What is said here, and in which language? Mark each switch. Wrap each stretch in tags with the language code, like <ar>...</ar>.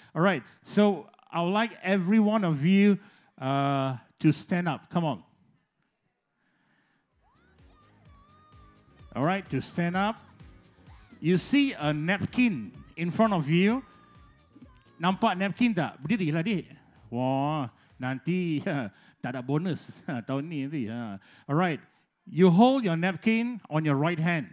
<en>Alright, so I would like every one of you to stand up. Come on. Alright, to stand up. You see a napkin in front of you.</en> <ms>Nampak napkin tak? Berdiri lah dik. Wah. Nanti tak ada bonus tahun ni nanti.</ms> <en>Alright, you hold your napkin on your right hand.</en>